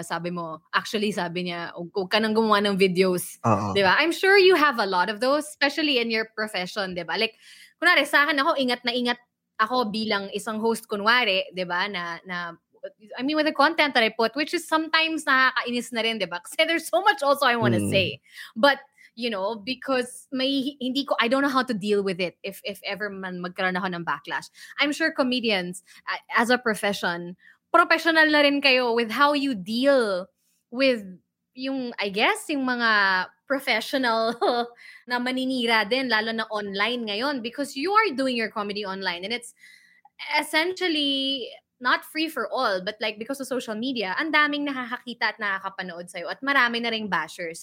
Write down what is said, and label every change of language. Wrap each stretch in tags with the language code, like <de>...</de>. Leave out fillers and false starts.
<tl>Sabi mo, actually, sabi niya, huwag ka nang gumawa ng videos. Di ba?</tl> <en>I'm sure you have a lot of those, especially in your profession,</en> <tl>di ba? Like, kunwari, sa akin ako, ingat na ingat ako bilang isang host, kunwari, di ba?</tl> <en>I mean, with the content that I put, which is sometimes</en> <tl>nakakainis na rin, di ba?</tl> <en>Kasi there's so much also I want to say. But, you know, because I don't know how to deal with it if ever</en> <tl>man magkaroon ako ng</tl> <en>backlash. I'm sure comedians, as a profession,</en> <tl>professional na rin kayo</tl> <en>with how you deal with yung, I guess,</en> <tl>yung mga professional na maninira din, lalo na online ngayon,</tl> <en>because you are doing your comedy online and it's essentially not free for all, but like because of social media,</en> <tl>ang daming nakakakita at nakakapanood sa'yo at marami na rin bashers.</tl>